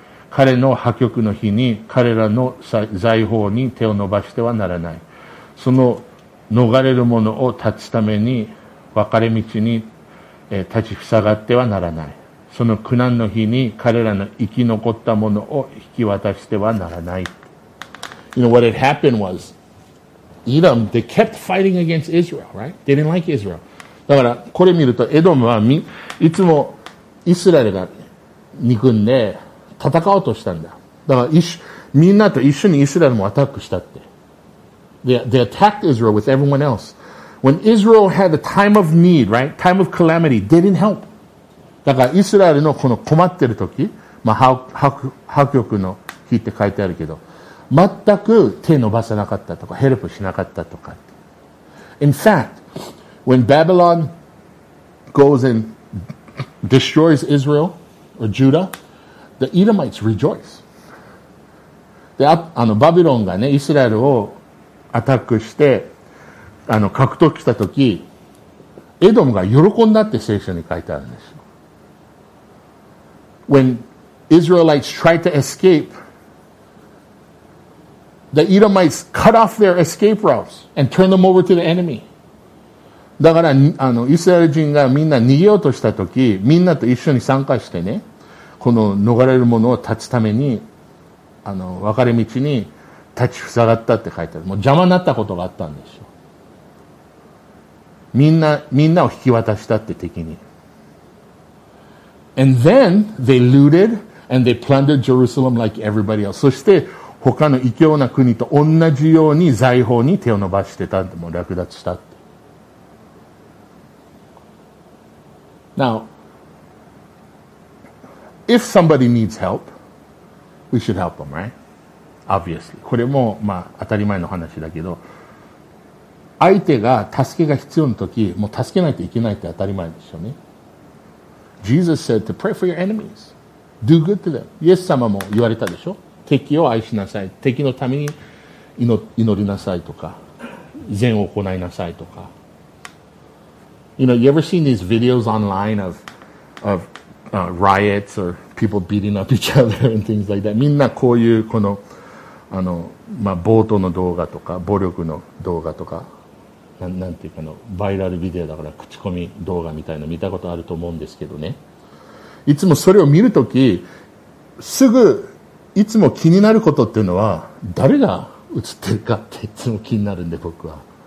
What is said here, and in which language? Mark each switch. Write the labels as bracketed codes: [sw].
[ja] 彼の破局の日に彼らの財宝に手を伸ばしてはならない。その逃れる者を断つために分かれ道に、立ちふさがってはならない。その苦難の日に彼らの生き残った者を引き渡してはならない。 [en] You know what had happened was,Edom, they kept fighting against Israel, right? They didn't like Israel. [ja] だから、これ見ると、エドムはいつもイスラエルが憎んで戦おうとしたんだ。だから、みんなと一緒にイスラエルもアタックしたって。 [en] They attacked Israel with everyone else. when Israel had a time of need, right? Time of calamity, they didn't help. [ja] だからイスラエルのこの困ってる時、まあ、破局の日って書いてあるけど、全く手伸ばさなかったとか、ヘルプしなかったとか。 [en] In fact, when Babylon goes and destroys Israel or Judah, the Edomites rejoice. [ja] で、バビロンがね、イスラエルをアタックして、獲得した時、エドムが喜んだって聖書に書いてあるんです。 [en] When Israelites tried to escape, the Edomites cut off their escape routes and turned them over to the enemy. [ja] だから、イスラエル人がみんな逃げようとした時、みんなと一緒に参加してね、この逃れるものを断つために、分かれ道に立ち塞がったって書いてある。もう邪魔になったことがあったんですよ。みんなを引き渡したって敵に。 [en] And then they looted and they plundered Jerusalem like everybody else. [ja] そして他の異教な国と同じように財宝に手を伸ばしてたって、もう略奪したって。 [en] Now, if somebody needs help, we should help them, right? Obviously. [ja] これもまあ当たり前の話だけど、相手が助けが必要な時、もう助けないといけないって当たり前でしょうね。 [en] Jesus said to pray for your enemies. Do good to them. [ja] イエス様も言われたでしょ。敵を愛しなさい。敵のために祈りなさいとか、善を行いなさいとか。 [en] You know, you ever seen these videos online of riots or people beating up each other and things like that? [ja] みんなこういうこの、まあ、暴徒の動画とか、暴力の動画とか、なんていうかのバイラルビデオだから口コミ動画みたいな見たことあると思うんですけどね、いつもそれを見るとき、すぐいつも気になることっていうのは誰が映ってるかっていつも気になるんで、僕は